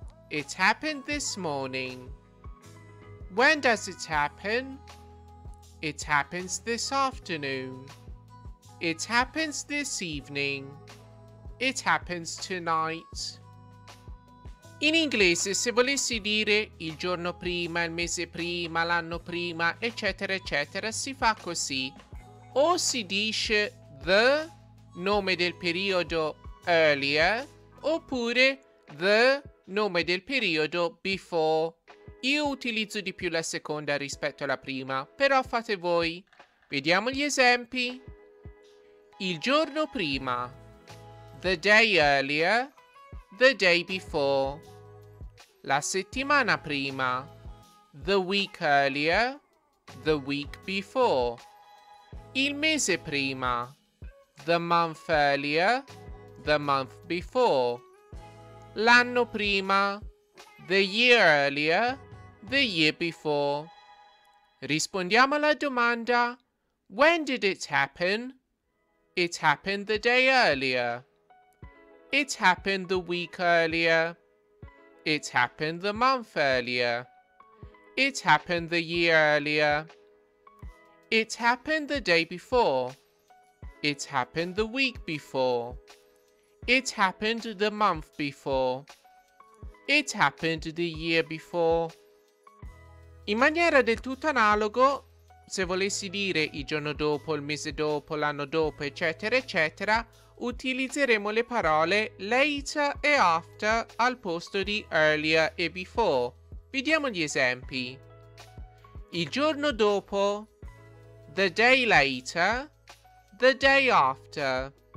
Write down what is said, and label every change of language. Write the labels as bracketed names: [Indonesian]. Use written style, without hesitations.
[English] It happened this morning. When does it happen? It happens this afternoon. It happens this evening. It happens tonight. [Italian] In inglese, se volessi dire il giorno prima, il mese prima, l'anno prima, eccetera, eccetera, si fa così. O si dice the, nome del periodo earlier, oppure the, nome del periodo before. Io utilizzo di più la seconda rispetto alla prima, però fate voi. Vediamo gli esempi. Il giorno prima. [English] The day earlier. The day before. [Italian] La settimana prima. [English] The week earlier. The week before. [Italian] Il mese prima. [English] The month earlier. The month before. [Italian] L'anno prima. [English] The year earlier. The year before. [Italian] Rispondiamo alla domanda. [English] When did it happen? It happened the day earlier. It happened the week earlier. It happened the month earlier. It happened the year earlier. It happened the day before. It happened the week before. It happened the month before. It happened the year before. [Italian] In maniera del tutto analogo, se volessi dire il giorno dopo, il mese dopo, l'anno dopo, eccetera, eccetera, utilizzeremo le parole later e after al posto di earlier e before. Vediamo gli esempi. Il giorno dopo, [English] the day later, the day after.